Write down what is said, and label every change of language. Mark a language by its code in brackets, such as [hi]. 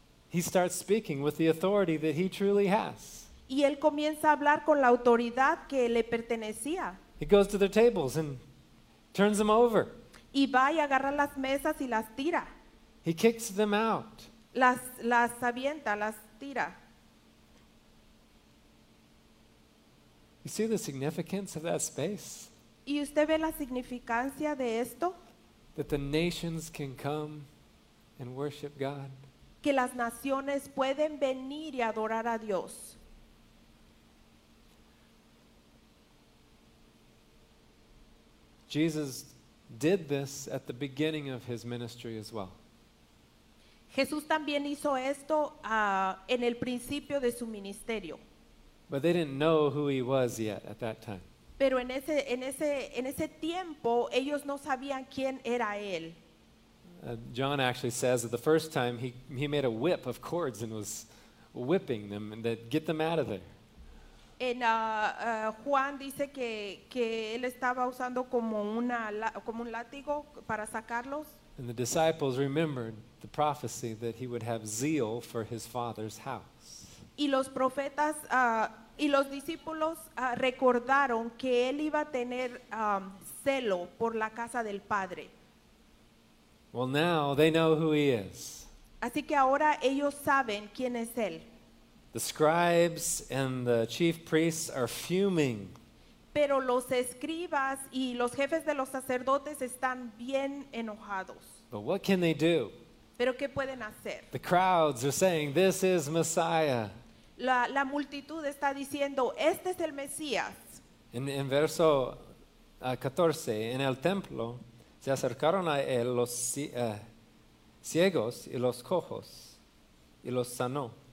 [en] He starts speaking with the authority that he truly has. [es] Y él comienza a hablar con la autoridad que le pertenecía. [en] He goes to their tables and turns them over. [es] Y va y agarra las mesas y las tira. [en] He kicks them out. [es] Las avienta, las tira. [en] You see the significance of that space? [es] ¿Y usted ve la significancia de esto? [en] That the nations can come and worship God. [es] Que las naciones pueden venir y adorar a Dios. [en] Jesus did this at the beginning of his ministry as well. [es] Jesús también hizo esto en el principio de su ministerio. [en] But they didn't know who he was yet at that time. [es] Pero en ese tiempo ellos no sabían quién era él. [en] John actually says that the first time he made a whip of cords and was whipping them and that get them out of there. [es] En Juan dice que él estaba usando como un látigo para sacarlos. [en] And the disciples remembered the prophecy that he would have zeal for his father's house. [es] Y los profetas y los discípulos recordaron que él iba a tener celo por la casa del padre. [en] Well, now they know who he is. [es] Así que ahora ellos saben quién es él. [en] The scribes and the chief priests are fuming. [es] Pero los escribas y los jefes de los sacerdotes están bien enojados. [en] But what can they do? [es] Pero ¿qué pueden hacer? [en] The crowds are saying, "This is Messiah." [es] La multitud está diciendo, "Este es el Mesías." En verso 14, en el templo se acercaron a él los ciegos y los cojos y los sanó.